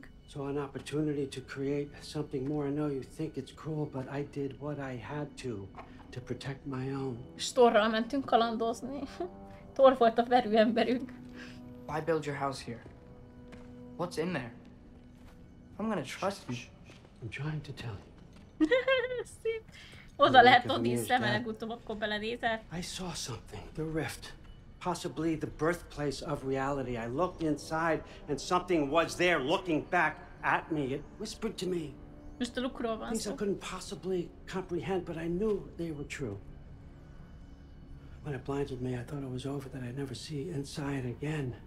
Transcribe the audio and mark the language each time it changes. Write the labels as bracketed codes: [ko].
[en] So an opportunity to create something more. I know you think it's cruel, but I did what I had to protect my own. [hu] Storral mentünk kalandozni. Thor volt a verő emberünk. [en] Why build your house here? What's in there? I'm gonna trust you. I'm trying to tell you. [hu] Oda lehet Odin szeme, legutóbb akkor belenézett. [en] I saw something. The rift. Possibly the birthplace of reality. I looked inside and something was there looking back at me. It whispered to me. [hu] Most a lukról van szó. [en] Things I couldn't possibly comprehend, but I knew they were true. When it blinded me, I thought it was over, that I'd never see inside again.